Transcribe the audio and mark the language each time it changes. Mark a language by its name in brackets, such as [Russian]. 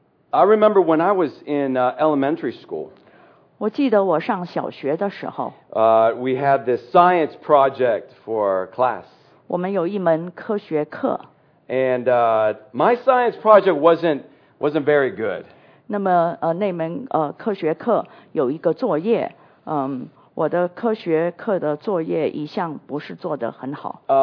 [English] I remember when I was in elementary school. [Chinese] 我记得我上小学的时候。 [English] We had this science project for class. [Chinese] 我们有一门科学课。 [English] And my science project wasn't very good. [Chinese] 那么那门科学课有一个作业，我的科学课的作业一向不是做得很好。